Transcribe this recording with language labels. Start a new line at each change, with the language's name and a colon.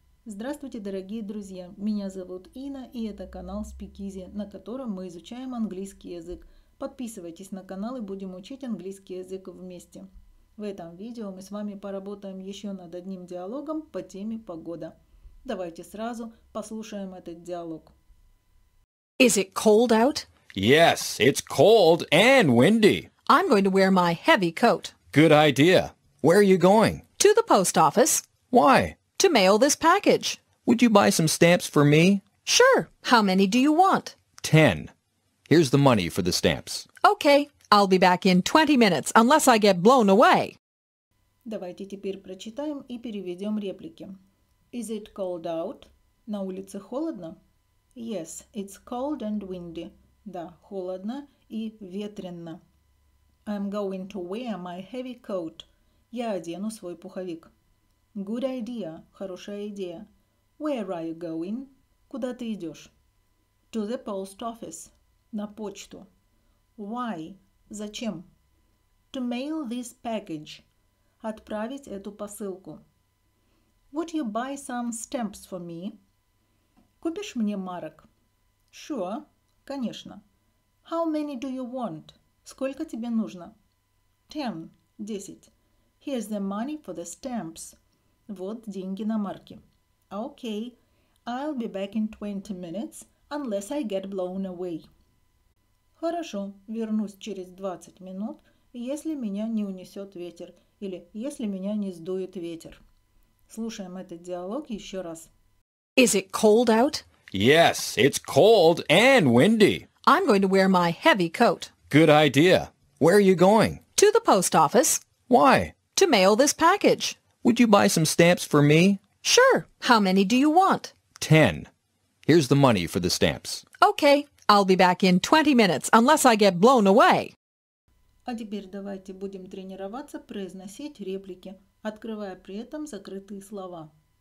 Russian: Здравствуйте, дорогие друзья! Меня зовут Инна, и это канал Speakeasy, на котором мы изучаем английский язык. Подписывайтесь на канал и будем учить английский язык вместе. В этом видео мы с вами поработаем еще над одним диалогом по теме погода. Давайте сразу послушаем этот диалог.
English: Is it cold out? Yes, it's cold and windy. I'm going to wear my heavy coat. Good idea. Where are you going? To the post office. Why? To mail this package. Would you buy some stamps for me? Sure. How many do you want? 10. Here's the money for the stamps. Okay. I'll be back in 20 minutes, unless I get blown away.
Russian: Давайте теперь прочитаем и переведем реплики.
English: Is it cold out?
Russian: На улице холодно?
English: Yes, it's cold and windy.
Russian: Да, холодно и ветрено.
English: I'm going to wear my heavy coat.
Russian: Я одену свой пуховик.
English: Good idea.
Russian: Хорошая идея.
English: Where are you going?
Russian: Куда ты идешь?
English: To the post office.
Russian: На почту.
English: Why?
Russian: Зачем?
English: To mail this package.
Russian: Отправить эту посылку.
English: Would you buy some stamps for me?
Russian: Купишь мне марок?
English: Sure.
Russian: Конечно.
English: How many do you want?
Russian: Сколько тебе нужно?
English: 10. 10. Here's the money for the stamps.
Russian: Вот деньги на марки.
English: Okay, I'll be back in 20 minutes, unless I get blown away.
Russian: Хорошо, вернусь через 20 минут, если меня не унесет ветер, или если меня не сдует ветер. Слушаем этот диалог еще раз.
English: Is it cold out? Yes, it's cold and windy. I'm going to wear my heavy coat. Good idea. Where are you going? To the post office. Why? To mail this package. Would you buy some stamps for me? Sure. How many do you want? 10. Here's the money for the stamps. Okay. I'll be back in 20 minutes, unless I get blown away.
Russian: А теперь давайте будем тренироваться произносить реплики, открывая при этом закрытые слова.